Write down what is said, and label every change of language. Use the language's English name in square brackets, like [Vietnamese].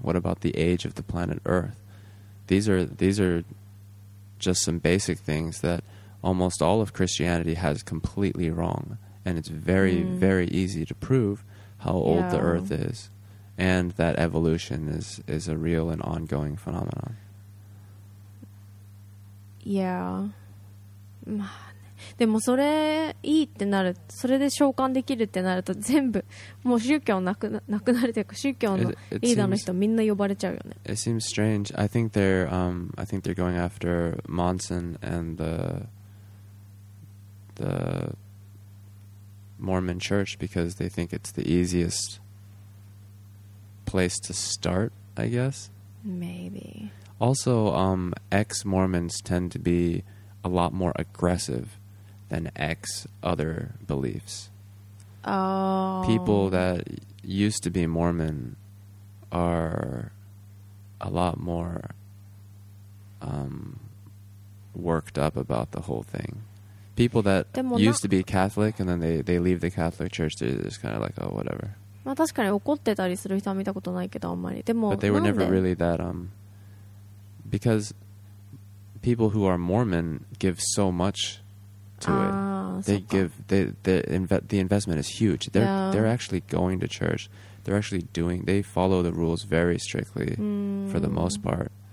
[English] What about the age of the planet Earth? These are just some basic things that almost all of Christianity has completely wrong, and it's very very easy to prove how old the Earth isAnd that evolution is a real and ongoing phenomenon. Yeah. [Japanese] まあね。でもそれいいってなる、それで召喚できるってなると全部もう宗教なくなるというか宗教のリーダーの人みんな呼ばれちゃうよね。 [English] It seems strange. I think they're going after Monson and the Mormon Church because they think it's the easiest place to start, I guess. Maybe. Also, ex-Mormons tend to be a lot more aggressive than ex-other beliefs. Oh. People that used to be Mormon are a lot more worked up about the whole thing. People that used to be Catholic and then they leave the Catholic Church, they're just kind of like, oh, whatever. [Japanese] まあ、確かに怒ってたりする人は見たことないけどあんまり。でも、 [English] But they were never really that, because people who are Mormon give so much to it. They give, the investment is huge. They're, yeah. they're actually going to church. They're actually doing, they follow the rules very strictly for the most part.